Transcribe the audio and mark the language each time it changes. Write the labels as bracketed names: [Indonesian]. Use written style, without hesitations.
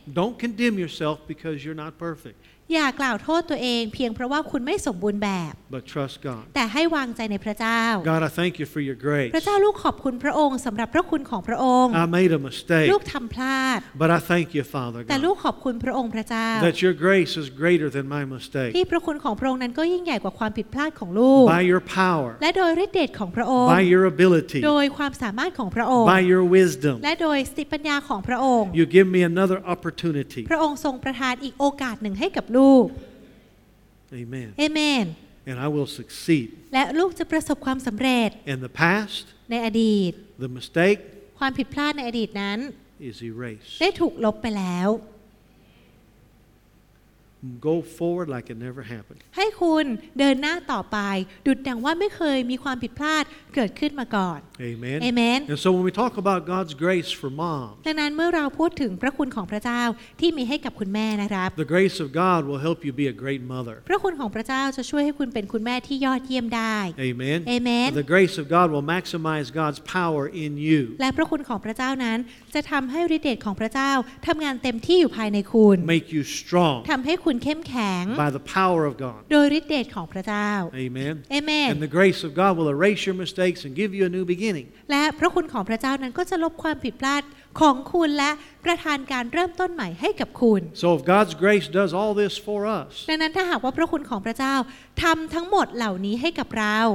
[English] Don't condemn yourself because you're not perfect. [Thai] อย่ากล่าวโทษตัวเองเพียงเพราะว่าคุณไม่สมบูรณ์แบบ [English] But trust God. [Thai] แต่ให้วางใจในพระเจ้า [English] God, I thank you for your grace. [Thai] พระเจ้าลูกขอบคุณพระองค์สำหรับพระคุณของพระองค์ [English] I made a mistake. [Thai] ลูกทำพลาด [English] But I thank you, Father God. [Thai] แต่ลูกขอบคุณพระองค์พระเจ้า [English] That your grace is greater than my mistake. [Thai] ที่พระคุณของพระองค์นั้นก็ยิ่งใหญ่กว่าความผิดพลาดของลูก [English] By your power. [Thai] และโดยฤทธิ์เดชของพระองค์ [English] By your ability. [Thai] โดยความสามารถของพระองค์ [English] By your wisdom. [Thai] และโดยสติปัญญาของพระองค์ [English] You give me another opportunity. [Thai] พระองค์ทรงประทานอีกโอกาสหนึ่งให้กับ [English] Amen. Amen. And I will succeed. [Thai] และลูกจะประสบความสำเร็จ [English] In the past, [Thai] ในอดีต [English] the mistake, [Thai] ความผิดพลาดในอดีตนั้น [English] is erased. [Thai] ได้ถูกลบไปแล้ว [English] Go forward like it never happened. [Thai] ให้คุณเดินหน้าต่อไปดุจดังว่าไม่เคยมีความผิดพลาดเกิดขึ้นมาก่อน [English] Amen. Amen. And so when we talk about God's grace for mom, [Thai] ดังนั้นเมื่อเราพูดถึงพระคุณของพระเจ้าที่มีให้กับคุณแม่นะครับ [English] The grace of God will help you be a great mother. [Thai] พระคุณของพระเจ้าจะช่วยให้คุณเป็นคุณแม่ที่ยอดเยี่ยมได้ [English] Amen. Amen. The grace of God will maximize God's power in you. [Thai] และพระคุณของพระเจ้านั้นจะทำให้ฤทธิ์เดชของพระเจ้าทำงานเต็มที่อยู่ภายในคุณ [English] Make you strong. [Thai] ทำให้คุณเข้มแข็ง [English] By the power of God. [Thai] โดยฤทธิ์เดชของพระเจ้า [English] Amen. Amen. And the grace of God will erase your mistakes and give you a new beginning [Thai] และพระคุณของพระเจ้านั้นก็จะลบความผิดพลาดของคุณและประทานการเริ่มต้นใหม่ให้กับคุณ [English] So if God's grace does all this for us [Thai] ดังนั้นถ้าหากว่าพระคุณของพระเจ้าทำทั้งหมดเหล่านี้ให้กับเรา